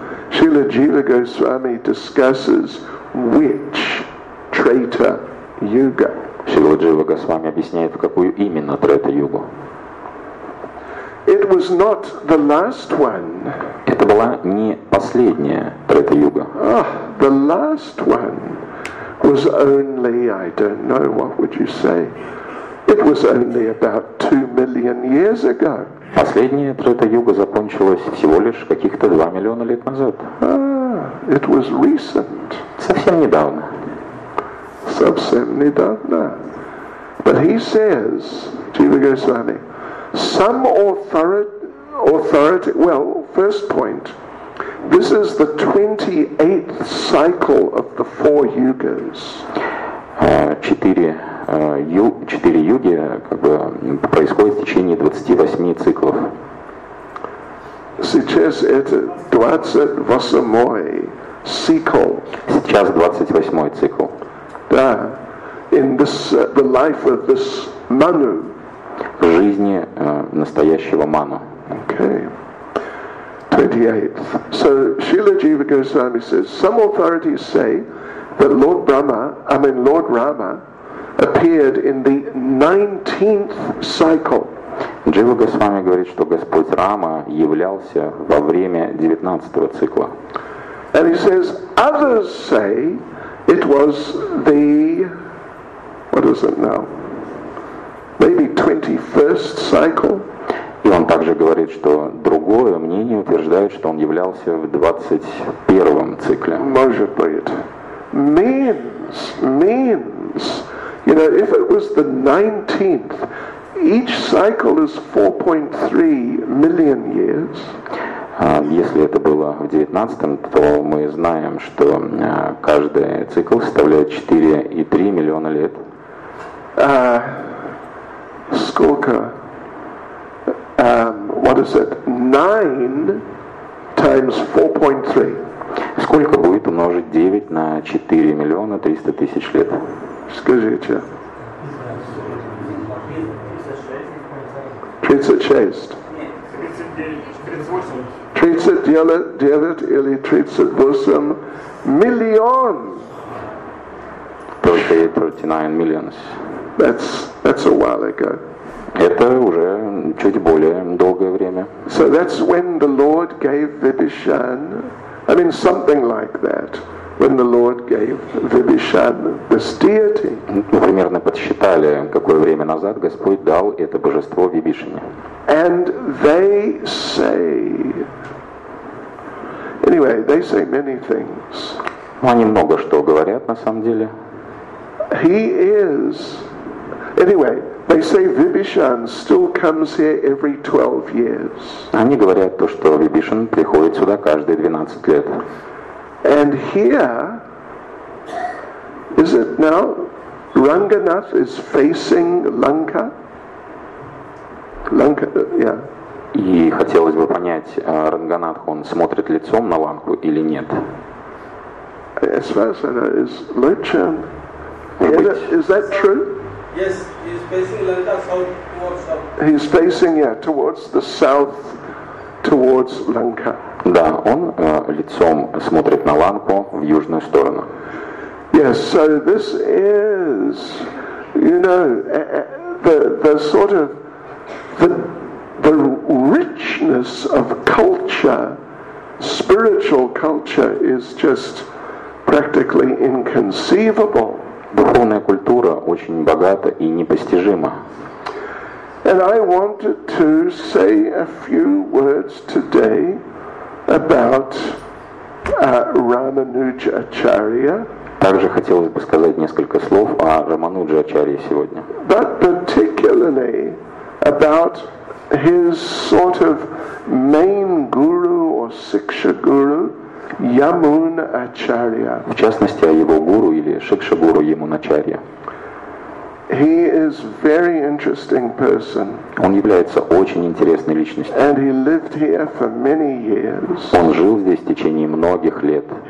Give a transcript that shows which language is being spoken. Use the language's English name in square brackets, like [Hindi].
[English] Шрила Джива Госвами discusses which Treta Yuga. [Russian] Шрила Джива Госвами объясняет, в какую именно Трета-Югу. [English] It was not the last one. [Russian] Это была не последняя Трета-Юга. [English] Ah, the last one was only, I don't know, what would you say? It was only about 2 million years ago. [Russian] Последняя Трета-Юга закончилась всего лишь каких-то 2 миллиона лет назад. [English] Ah, it was recent. [Russian] Совсем недавно. Совсем недавно. [English] But he says, Jiva Goswami, some authority, well, first point, this is the 28th cycle of the 4 yugas. [Russian] Четыре юги как бы происходят в течение 28 циклов. Сейчас это 28-й цикл. Сейчас 28-й цикл. [English] Да, in this, the life of this Manu. [Russian] В жизни настоящего Ману. [English] Okay. 28th. So Srila Jiva Goswami says some authorities say that Lord Rama appeared in the 19th cycle. [Russian] Джива Госвами говорит, что Господь Рама являлся во время 19-го цикла. [English] And he says others say it was the, what is it now? Maybe 21st cycle. [Russian] И он также говорит, что другое мнение утверждает, что он являлся в 21-м цикле. Может быть. [English] Means, you know, if it was the 19th, each cycle is 4.3 million years. [Russian] Если это было в 19-м, то мы знаем, что каждый цикл составляет 4,3 миллиона лет. Сколько? [English] What is it? 9 times 4.3. [Russian] Сколько будет умножить 9 на 4 миллиона 300 тысяч лет? Скажите. 39 миллионов. [English] That's a while ago. [Russian] Это уже чуть более долгое время. [English] So that's when the Lord gave Vibhishan, I mean something like that, when the Lord gave Vibhishan this deity. [Russian] Ну, примерно подсчитали, какое время назад Господь дал это божество Вибишине. [English] And they say, anyway, they say many things. [Russian] Ну, они много что говорят на самом деле. [English] He is, anyway, they say Vibhishan still comes here every 12 years. [Russian] Они говорят то, что Вибишан приходит сюда каждые 12 лет. [English] And here, is it now, Ranganath is facing Lanka? Lanka, yeah. [Russian] И хотелось бы понять, Ранганат, он смотрит лицом на Ланку или нет? [English] As far as I know, is Lochan? Is that true? Yes, he's facing Lanka south. He's facing, yeah, towards the south, towards Lanka. [Russian] Да, он лицом смотрит на Ланку в южную сторону. [English] Yes, so this is, you know, the sort of the the richness of culture, spiritual culture, is just practically inconceivable. [Russian] Духовная культура очень богата и непостижима. [English] And I wanted to say a few words today about Ramanujacharya. [Russian] Также хотелось бы сказать несколько слов о Рамануджачарье сегодня. [English] But particularly about his sort of main guru or siksha guru, Yamunacharya. [Russian] В частности, о его гуру или шикша гуру Ямуначарья. [English] He is very interesting person. [Russian] Он является очень интересной личностью. [English] And he lived here for many years. [Russian] Он жил здесь в течение многих лет.